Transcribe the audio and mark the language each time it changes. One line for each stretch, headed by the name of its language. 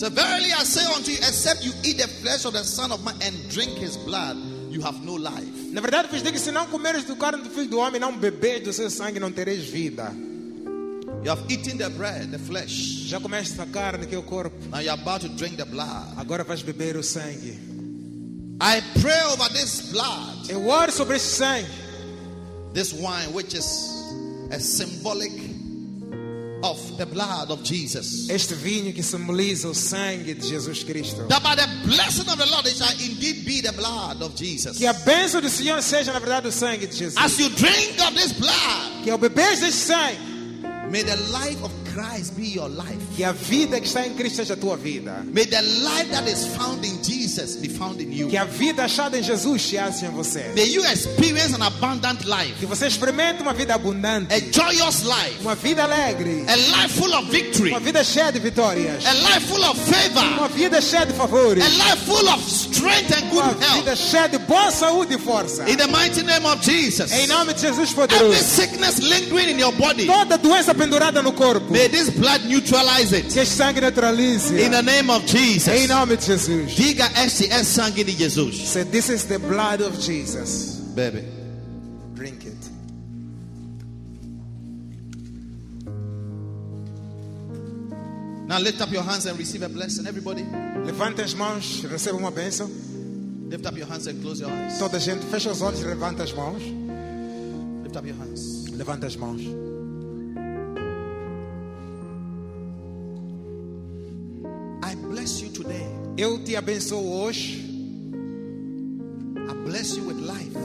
English: So verily I say unto you, except you eat the flesh of the Son of Man and drink his blood, you have no life.
Portuguese: Na verdade, vos digo, se não comeres do carne do filho do homem, não bebês do seu sangue, não tereis vida.
English: You have eaten the bread, the flesh.
Portuguese: Já comeste a carne, que é o corpo.
English: Now you are about to drink the blood.
Portuguese: Agora vais beber o sangue.
English: I pray over this blood.
Portuguese: Eu oro sobre esse sangue.
English: This wine, which is a symbolic of the blood of Jesus.
Portuguese: Este vinho que simboliza o sangue de Jesus Cristo.
English: That by the blessing of the Lord it shall indeed be the blood of Jesus.
Portuguese: Que a bênção do Senhor seja na verdade o sangue de Jesus.
English: As you drink of this blood.
Portuguese: Que ao beber deste sangue.
English: May the life of Christ be your life.
Portuguese: Que a vida que está em Cristo seja a tua vida.
English: May the life that is found in Jesus be found in you.
Portuguese: Que a vida achada em Jesus se ache em você.
English: May you experience an abundant life.
Portuguese: Que você experimente uma vida abundante.
English: A joyous life.
Portuguese: Uma vida alegre.
English: A life full of victory.
Portuguese: Uma vida cheia de vitórias.
English: A life full of favor.
Portuguese: Uma vida cheia de favores.
English: A life full of strength and good health.
Portuguese: Uma vida cheia de boa saúde e força.
English: In the mighty name of Jesus.
Portuguese: Em nome de Jesus poderoso.
English: Every sickness lingering in your body.
Portuguese: Toda doença pendurada no corpo.
English: May this blood neutralize it.
Portuguese: Que sangue neutralize.
English: In the name of Jesus.
Portuguese: Em nome de Jesus. Diga SCS sangue de Jesus.
English: Say this is the blood of Jesus.
Portuguese: Bebe.
English: Drink it. Now lift up your hands and receive a blessing, everybody.
Portuguese: Levante as mãos, receba uma bênção.
English: Lift up your hands and close your eyes.
Portuguese: Toda gente, fecha os olhos e levanta as mãos.
English: Lift up your hands.
Portuguese: Levanta as mãos.
English: I bless you today.
Portuguese: Eu te abençoo hoje.
English: I bless you with life.